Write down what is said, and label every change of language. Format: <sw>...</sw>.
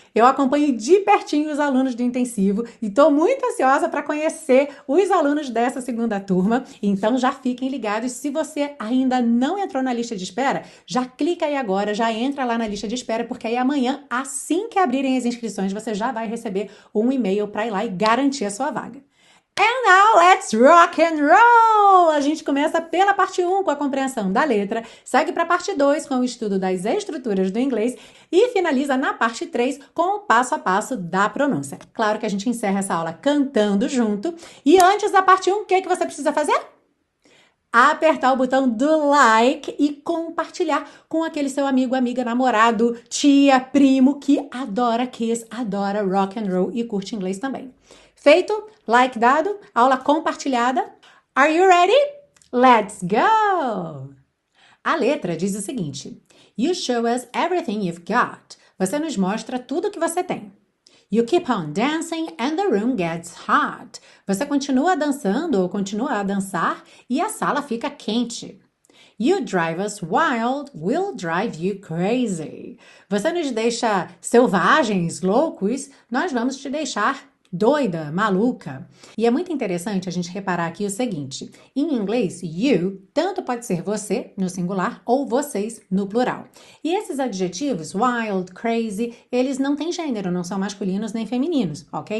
<pt>Eu acompanho de pertinho os alunos do Intensivo e estou muito ansiosa para conhecer os alunos dessa segunda turma. Então já fiquem ligados. Se você ainda não entrou na lista de espera, já clica aí agora, já entra lá na lista de espera, porque aí amanhã, assim que abrirem as inscrições, você já vai receber um e-mail para ir lá e garantir a sua vaga.</pt> <en>And now let's rock and roll!</en> <pt>A gente começa pela parte 1 com a compreensão da letra, segue para a parte 2 com o estudo das estruturas do inglês e finaliza na parte 3 com o passo a passo da pronúncia. Claro que a gente encerra essa aula cantando junto. E antes da parte 1, o que que você precisa fazer? Apertar o botão do like e compartilhar com aquele seu amigo, amiga, namorado, tia, primo que adora Kiss, adora rock and roll e curte inglês também. Feito, like dado, aula compartilhada.</pt> <en>Are you ready? Let's go!</en> <pt>A letra diz o seguinte:</pt> <en>You show us everything you've got.</en> <pt>Você nos mostra tudo que você tem.</pt> <en>You keep on dancing and the room gets hot.</en> <pt>Você continua dançando ou continua a dançar e a sala fica quente.</pt> <en>You drive us wild, we'll drive you crazy.</en> <pt>Você nos deixa selvagens, loucos, nós vamos te deixar doida, maluca. E é muito interessante a gente reparar aqui o seguinte: em inglês, you tanto pode ser você no singular ou vocês no plural. E esses adjetivos, wild, crazy, eles não têm gênero, não são masculinos nem femininos, ok?</pt>